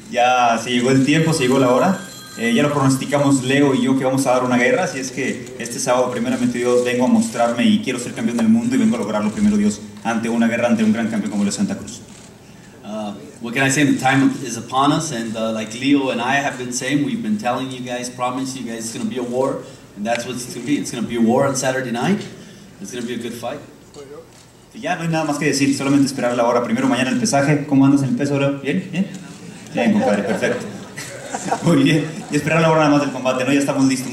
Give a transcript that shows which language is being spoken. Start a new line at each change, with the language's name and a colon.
Spanish: Ya se llegó el tiempo, se llegó la hora. Ya lo pronosticamos Leo y yo que vamos a dar una guerra, así es que este sábado, primeramente Dios, vengo a mostrarme y quiero ser campeón del mundo y vengo a lograrlo primero Dios ante una guerra, ante un gran campeón como Leo Santa Cruz.
English: What can I say? The time is upon us, and like Leo and I have been saying, we've been telling you guys, promising you guys, it's going to be a war, and that's what it's going to be. It's going to be a war on Saturday night. It's going to be a good fight.
Spanish: Ya no hay nada más que decir, solamente esperar la hora. Primero mañana el pesaje. ¿Cómo andas en el peso ahora? ¿Bien? ¿Bien? Bien, compadre, perfecto. Muy bien. Y esperar la hora nada más del combate, ¿no? Ya estamos listos.